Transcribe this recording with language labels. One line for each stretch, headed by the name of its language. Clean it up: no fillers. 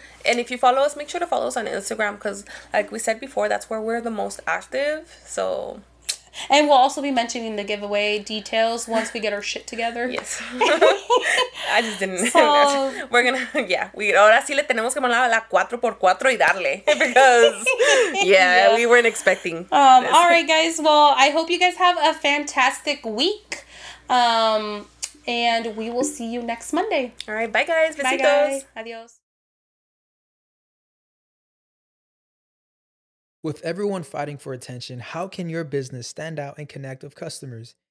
English: And if you follow us, make sure to follow us on Instagram because, like we said before, that's where we're the most active. So... And we'll also be mentioning the giveaway details once we get our shit together. Yes. I just didn't. So, we're going to, yeah.
Spanish: Ahora sí le tenemos que mandar la 4x4 y darle.
English: Because, yeah, we weren't expecting this. All right, guys. Well, I hope you guys have a fantastic week. And we will see you next Monday. All right. Bye, guys.
Spanish: Besitos.
English: Bye, guys. Adios. With everyone fighting for attention, how can your business stand out and connect with customers?